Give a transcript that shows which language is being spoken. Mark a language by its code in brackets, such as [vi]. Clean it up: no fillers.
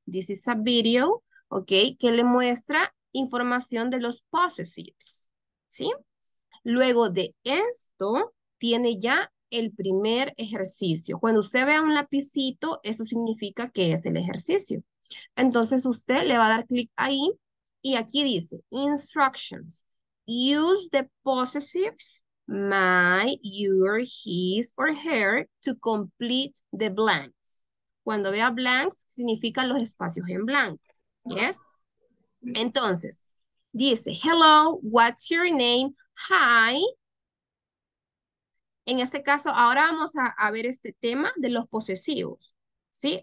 [en] This is a video. [es] ¿Okay? Que le muestra información de los possessives, ¿sí? Luego de esto, tiene ya el primer ejercicio. Cuando usted vea un lapicito, eso significa que es el ejercicio. Entonces, usted le va a dar clic ahí y aquí dice, Instructions. [en] Use the possessives, my, your, his or her, to complete the blanks. [es] Cuando vea blanks, significa los espacios en blanco, ¿yes? Entonces, dice, [en] hello, what's your name? Hi. [es] En este caso, ahora vamos a ver este tema de los posesivos, ¿sí?